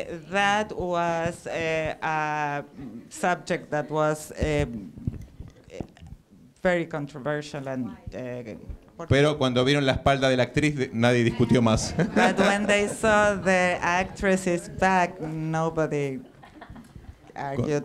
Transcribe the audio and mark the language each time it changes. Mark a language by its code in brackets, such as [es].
[en] That was a subject that was very controversial and. [es] Pero cuando vieron la espalda de la actriz, nadie discutió más. [en] But when they saw the actress's back, nobody argued.